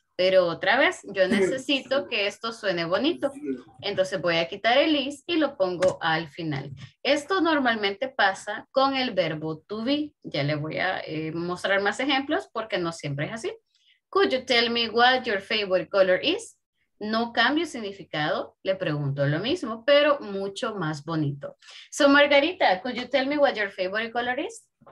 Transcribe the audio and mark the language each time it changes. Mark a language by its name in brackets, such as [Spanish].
[Spanish] Pero otra vez, yo necesito que esto suene bonito. Entonces, voy a quitar el is y lo pongo al final. Esto normalmente pasa con el verbo to be. Ya le voy a mostrar más ejemplos porque no siempre es así. [English] Could you tell me what your favorite color is? [Spanish] No cambio significado, le pregunto lo mismo, pero mucho más bonito. [English] So, Margarita, could you tell me what your favorite color is?